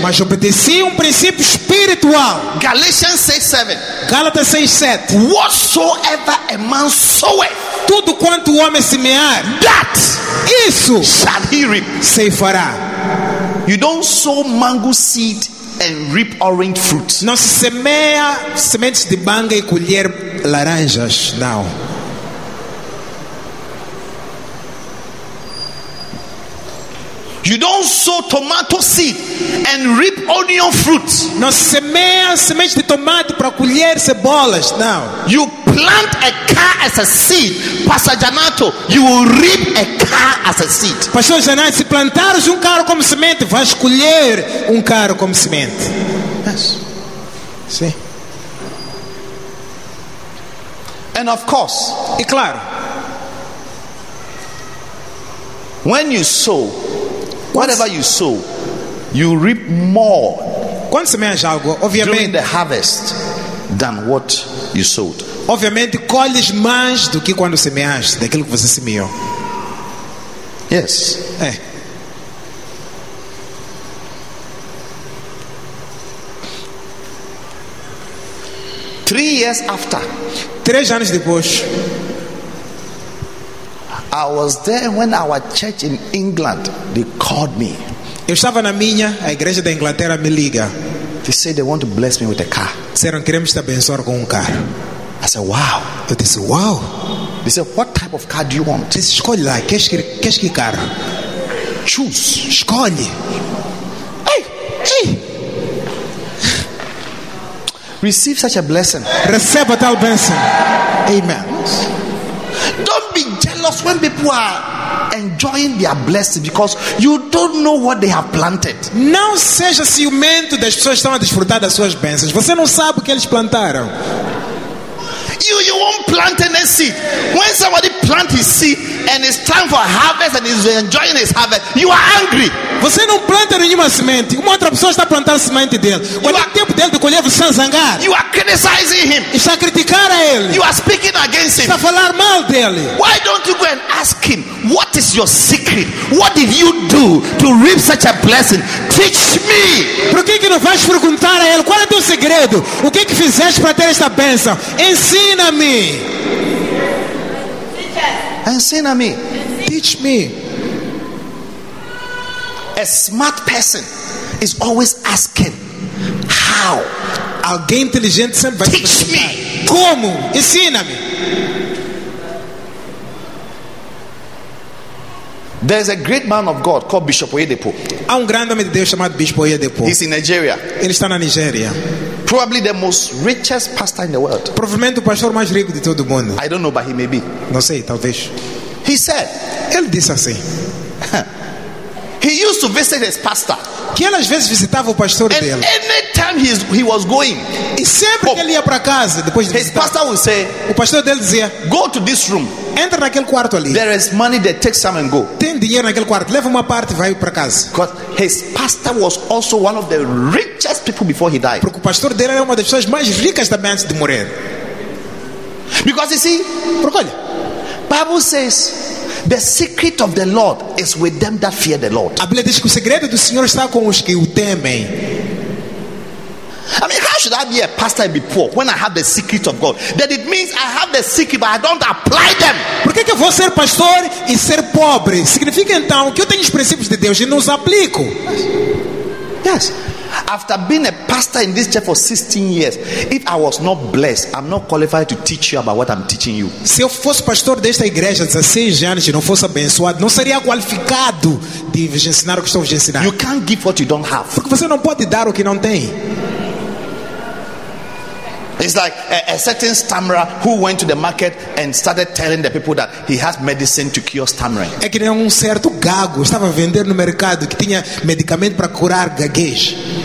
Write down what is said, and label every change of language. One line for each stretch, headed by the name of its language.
Portuguese: Mas obedeci princípio espiritual.
English: Galatians 6:7.
Portuguese: Galatas 6:7.
English: Whatsoever a man soweth.
Portuguese: Tudo quanto o homem semear.
English: That.
Portuguese: Isso.
English: Shall he reap.
Portuguese: Se fará.
English: You don't sow mango seed and reap orange fruit.
Portuguese: Não se semeia sementes de manga e colher laranjas. Não.
English: You don't sow tomato seed and reap onion fruit.
Portuguese: Não semeia semente de tomate para colher cebolas. Não.
English: You plant a car as a seed, Pastor Janato, you will reap a car as a seed.
Portuguese: Pastor Janato, se plantares carro como semente, vais colher carro como semente.
English: Yes.
Portuguese: Sim.
English: And of course,
Portuguese: e claro,
English: when you sow, whatever you sow, you reap more
Portuguese: quando semeja algo,
English: during the harvest than what you sowed.
Portuguese: Obviamente, colhes mais do que quando semeaste, daquilo que você semeou.
English: Yes.
Portuguese: É. Três anos depois,
English: I was there when our church in England they called me.
Portuguese: Eu estava na minha, a igreja da Inglaterra me liga.
English: They said they want to bless me with a car.
Portuguese: Disseram que queremos te abençoar com carro.
English: I said, wow.
Portuguese: Eu disse, wow.
English: They said, what type of car do you want?
Portuguese: Disse, escolhe lá, queres que carro?
English: Choose.
Portuguese: Escolhe. Hey, hey.
English: Receive such a blessing.
Portuguese: Receba tal bênção.
English: Amen. Don't be jealous when people are enjoying their blessing because you don't know what they have planted.
Portuguese: Não seja ciumento das pessoas que estão a desfrutar das suas bênçãos. Você não sabe o que eles plantaram.
English: You won't plant any seed. When somebody plants his seed and it's time for harvest and he's enjoying his harvest, you are angry.
Portuguese: Você não planta nenhuma semente. Uma outra pessoa está plantando semente dele. Quando é tempo dele de colher, você está zangado.
English: You are criticizing him.
Portuguese: Está a criticar a ele.
English: You are speaking against him.
Portuguese: Está a falar mal dele.
English: Why don't you go and ask him, what is your secret? What did you do to reap such a blessing? Teach me.
Portuguese: Por que não vais perguntar a ele qual é teu segredo? O que fizeste para ter esta bênção? Ensina-me. Ensina-me.
English: Teach me. A smart person is always asking how.
Portuguese: Alguém inteligente sempre vai
English: teach me.
Portuguese: Como? Ensina-me.
English: There's a great man of God called Bishop Oyedepo.
Portuguese: Há grande homem de Deus chamado Bispo Oyedepo.
English: He's in Nigeria.
Portuguese: Ele está na Nigéria.
English: Probably the most richest pastor in the world.
Portuguese: Provavelmente o pastor mais rico de todo mundo.
English: I don't know, but he may be.
Portuguese: Não sei, talvez.
English: He said.
Portuguese: Ele disse assim.
English: He used to visit his pastor.
Portuguese: Que ele às vezes visitava o pastor
English: and
Portuguese: dele.
English: And anytime he was going.
Portuguese: E sempre que ele ia para casa depois de
English: his
Portuguese: visitar.
English: His pastor would say.
Portuguese: O pastor dele dizia.
English: Go to this room.
Portuguese: Entra naquele quarto ali.
English: There is money there. Take some and go.
Portuguese: Tem dinheiro naquele quarto. Leva uma parte e vai para casa.
English: Because his pastor was also one of the richest people before he died.
Portuguese: Porque o pastor dele era uma das pessoas mais ricas também antes de morrer.
English: Because you see.
Portuguese: Porque olha.
English: Bible says. The secret of the Lord is with them that fear the Lord.
Portuguese: A Bíblia diz que o segredo do Senhor está com os que o temem.
English: I mean, how should I be a pastor and be poor when I have the secret of God? That it means I have the secret, but I don't apply them.
Portuguese: Por que eu vou ser pastor e ser pobre? Significa então que eu tenho os princípios de Deus e não os aplico.
English: Yes. After being a pastor in this church for 16 years, if I was not blessed, I'm not qualified to teach you about what I'm teaching you.
Portuguese: Se eu fosse pastor desta igreja 16 anos e não fosse abençoado, não seria qualificado de vos ensinar o que estou vos ensinar.
English: You can't give what you don't have.
Portuguese: Porque você não pode dar o que não tem.
English: It's like a certain stammerer who went to the market and started telling the people that he has medicine to cure stammering.
Portuguese: É que um certo gago estava vendendo no mercado que tinha medicamento para curar gaguejo.